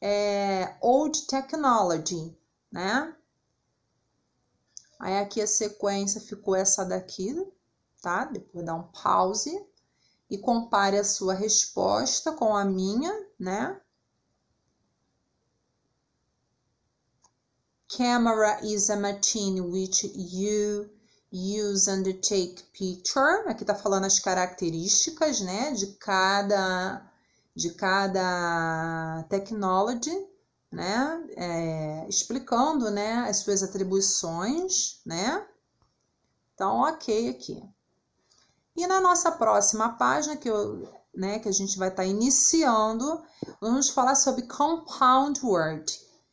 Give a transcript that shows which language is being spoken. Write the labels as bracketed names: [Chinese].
[Portuguese] é [English] old technology, né? [Portuguese] Aí aqui a sequência ficou essa daqui, tá? Depois dá um pause e compare a sua resposta com a minha, né? [English] Camera is a machine which you use and take picture. [Portuguese] Aqui tá falando as características, né, de cada technology, né, explicando, né, as suas atribuições, né. Então, ok aqui. E na nossa próxima página que a gente vai estar iniciando, vamos falar sobre compound word.